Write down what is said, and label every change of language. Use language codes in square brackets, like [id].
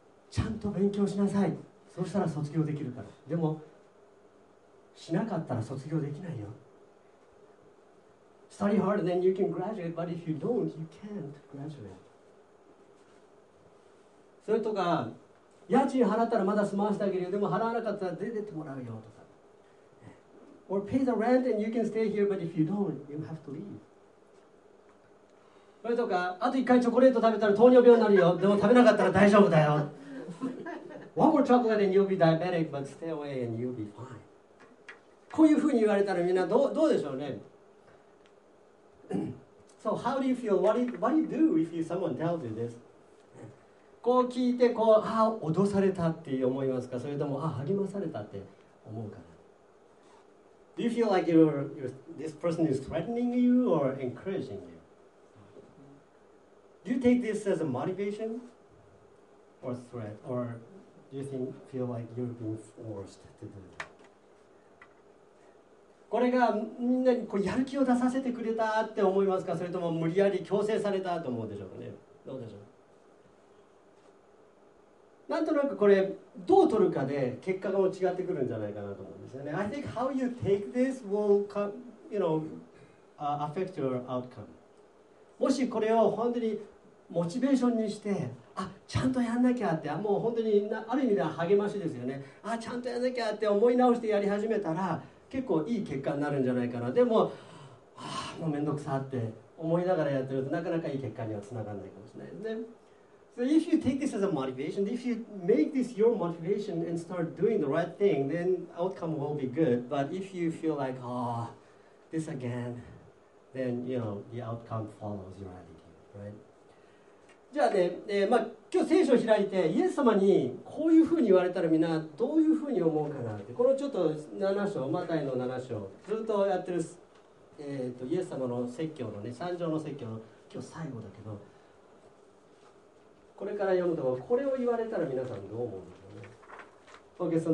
[ja] ちゃんと勉強しなさい。そうしたら卒業できるから。でも、しなかったら卒業できないよ。 [en] Study hard and then you can graduate, but if you don't, you can't graduate. [ja] それとか、家賃払ったらまだ済ませてあげるよ。でも払わなかったら出てってもらうよとか。 [en] Or pay the rent and you can stay here, but if you don't, you have to leave. [ja] それとか、あと一回チョコレート食べたら糖尿病になるよ。でも食べなかったら大丈夫だよ。 [en] One more chocolate and you'll be diabetic, but stay away and you'll be fine. [ja] こういうふうに言われたらみんなどうでしょうね。 [en] So how do you feel? What do you do if someone tells you this? [ja] こう聞いて、こう、ああ、脅されたって思いますか？それとも、ああ、励まされたって思うかな？ [en] Do you feel like this person is threatening you or encouraging you? Do you take this as a motivation or threat? Or do you feel like you're being forced to do that? [ja] これがみんなにこうやる気を出させてくれたって思いますか？それとも無理やり強制されたと思うでしょうかね？どうでしょう？なんとなくこれどう取るかで結果が違ってくるんじゃないかなと思うんですよね。 [en] I think how you take this will come, you know, affect your outcome. [ja] もしこれを本当にモチベーションにして、あ、ちゃんとやんなきゃって、もう本当にある意味では励ましですよね。あ、ちゃんとやんなきゃって思い直してやり始めたら結構いい結果になるんじゃないかな。でも、はあ、もうめんどくさって思いながらやってるとなかなかいい結果にはつながらないかもしれないですね。 [en] So if you take this as a motivation, if you make this your motivation and start doing the right thing, then outcome will be good. But if you feel like, oh, this again, then, you know, the outcome follows your attitude, right? [ja] じゃあね、まあ、今日聖書を開いて、イエス様にこういうふうに言われたらみんなどういうふうに思うかなって、このちょっと7章、マタイの7章、ずっとやってる、イエス様の説教のね、三条の説教の今日最後だけど、これから読むとこれを言われたら皆さんどう思うんでしょうね。